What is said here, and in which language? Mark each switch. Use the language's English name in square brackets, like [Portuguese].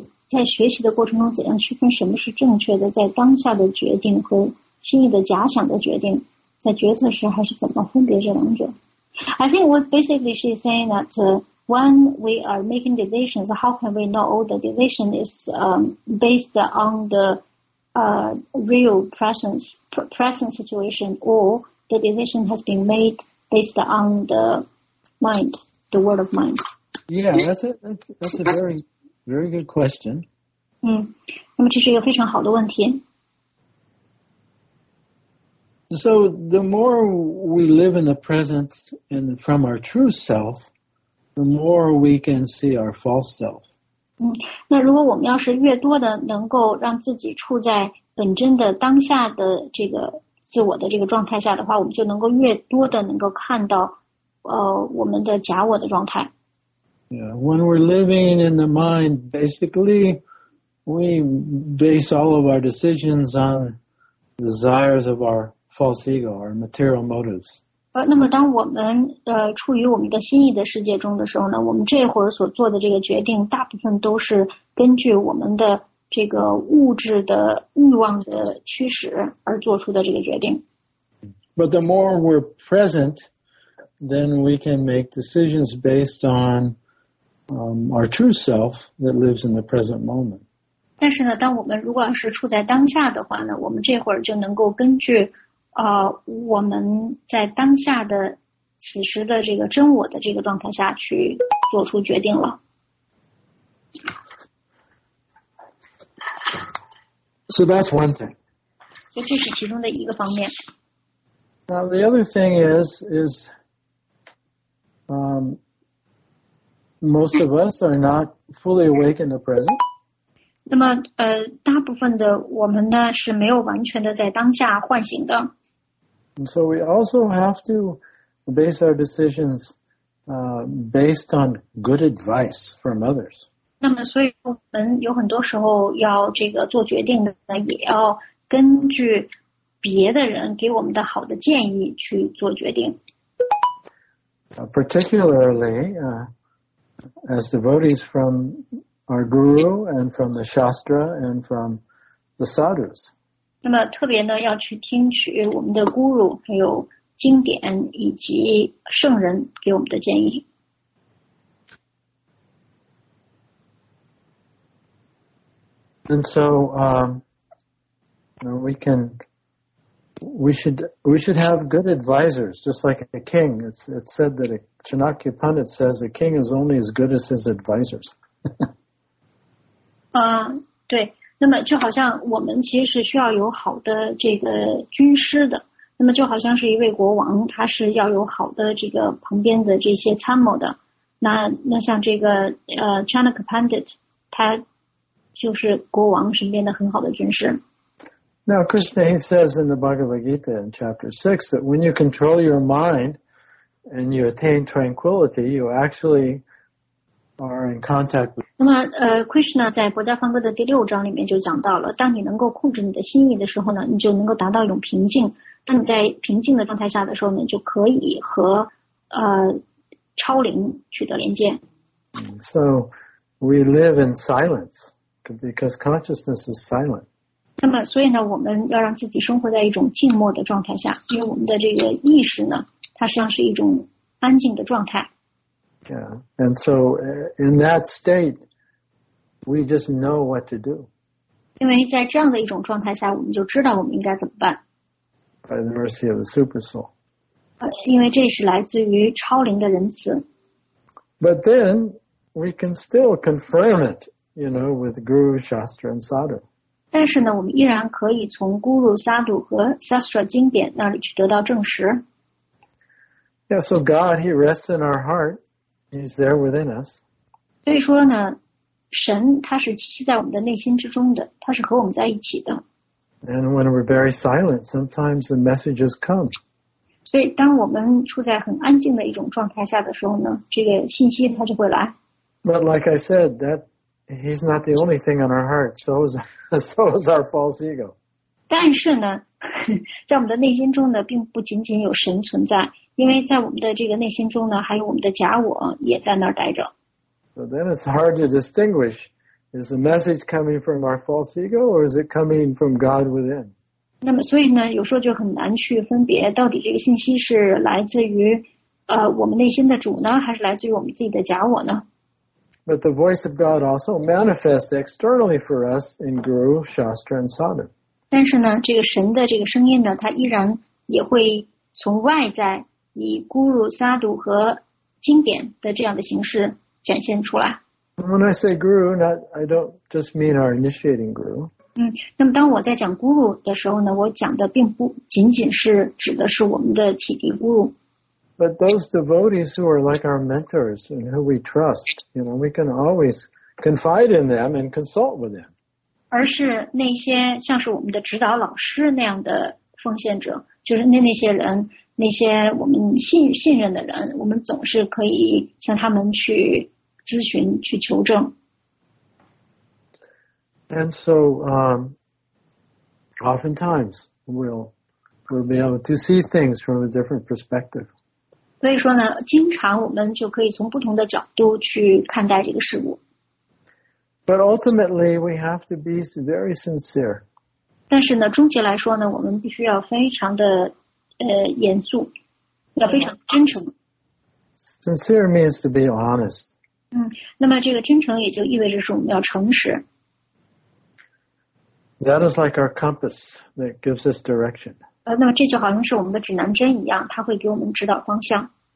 [Chinese] 在学习的过程中怎样区分什么是正确的，在当下的决定和心里的假想的决定，在决策时还是怎么分别这两者。 [English] I think what basically she is saying that when we are making decisions, how can we know all the decision is based on the real present situation, or the decision has been made based on the mind, the word of mind? Yeah, that's a very, very good question. [Chinese] 那么这是一个非常好的问题。 [English] So the more we live in the present and from our true self, the more we can see our false self. [Chinese] 那如果我们要是越多的能够让自己处在本真的当下的这个自我的这个状态下的话，我们就能够越多的能够看到我们的假我的状态。 [English] Yeah, when we're living in the mind, basically, we base all of our decisions on desires of our false ego, our material motives. [Chinese] 那么当我们处于我们的心意的世界中的时候呢，我们这会儿所做的这个决定大部分都是根据我们的这个物质的欲望的驱使而做出的这个决定。 [English] But the more we're present, then we can make decisions based on our true self that lives in the present moment. [Chinese] 但是呢，当我们如果是处在当下的话呢，我们这会儿就能够根据我们在当下的此时的这个真我的这个状态下去做出决定了。 [English] So that's one thing. [Chinese] 这就是其中的一个方面。 [English] Now the other thing is most of us are not fully awake in the present. [Chinese] 那么大部分的我们呢是没有完全的在当下唤醒的。 [English] And so we also have to base our decisions based on good advice from others. [Chinese] 那么所以我们有很多时候要这个做决定的也要根据别的人给我们的好的建议去做决定。 [English] Particularly, as devotees from our guru and from the Shastra and from the sadhus. [Chinese] 那么特别呢要去听取我们的 guru 还有经典以及圣人给我们的建议。 [English] And so, we should have good advisors, just like a king. It's said that a Chanakya Pandit says a king is only as good as his advisors. [Chinese] 对。那么就好像我们其实是需要有好的这个军师的，那么就好像是一位国王，他是要有好的这个旁边的这些参谋的。那像这个Chanakya Pandit, 他就是国王身边的很好的军师。 [English] Now, Krishna says in the Bhagavad Gita in chapter 6 that when you control your mind and you attain tranquility, you actually are in contact with. [Chinese] 那么Krishna 在博迦梵歌的第六章里面就讲到了，当你能够控制你的心意的时候呢，你就能够达到一种平静。当你在平静的状态下的时候呢，就可以和超灵取得连接。 [English] So we live in silence because consciousness is silent. [Chinese] 那么所以呢，我们要让自己生活在一种静默的状态下，因为我们的这个意识呢，它实际上是一种安静的状态。 [English] Yeah, and so in that state, we just know what to do. [Chinese] 因为在这样的一种状态下，我们就知道我们应该怎么办。 [English] By the mercy of the super soul. [Chinese] 因为这是来自于超灵的仁慈。 [English] But then we can still confirm it you know, with Guru, Shastra, and Sadhu. [Chinese] 但是呢，我们依然可以从 Guru, Sadhu 和 Shastra 经典那里去得到证实。 [English] Yeah, so God, He rests in our heart. He's there within us. [Chinese] 所以说呢，神他是栖息在我们的内心之中的，他是和我们在一起的。 [English] And when we're very silent, sometimes the messages come. [Chinese] 所以当我们处在很安静的一种状态下的时候呢，这个信息它就会来。 [English] But like I said, that he's not the only thing on our heart. So is our false ego. [Chinese] 但是呢，在我们的内心中呢，并不仅仅有神存在，因为在我们的这个内心中呢，还有我们的假我也在那儿待着。 [English] So then it's hard to distinguish. Is the message coming from our false ego or is it coming from God within? [Chinese] 那么所以呢，有时候就很难去分别到底这个信息是来自于我们内心的主呢，还是来自于我们自己的假我呢？ [English] But the voice of God also manifests externally for us in Guru, Shastra, and Sadhu. [Chinese] 但是呢，这个神的这个声音呢，它依然也会从外在以 Guru, Sadhu 和经典的这样的形式展现出来。 [English] When I say Guru, I don't just mean our initiating Guru. [Chinese] 那么当我在讲 Guru 的时候呢，我讲的并不仅仅是指的是我们的启迪 Guru。 [English] But those devotees who are like our mentors and who we trust, you know, we can always confide in them and consult with them. [Chinese] 而是那些像是我们的指导老师那样的奉献者，就是那些人，那些我们信任的人，我们总是可以向他们去咨询，去求证。 [English] And so, oftentimes we'll be able to see things from a different perspective. [Chinese] 所以说呢，经常我们就可以从不同的角度去看待这个事物。 [English] But ultimately, we have to be very sincere. [Chinese] 但是呢，终结来说呢，我们必须要非常的严肃，要非常真诚。 [English] Sincere means to be honest. [Chinese] 那么这个真诚也就意味着是我们要诚实。 [English] That is like our compass that gives us direction. [Chinese] 那么这就好像是我们的指南针一样，它会给我们指导方向。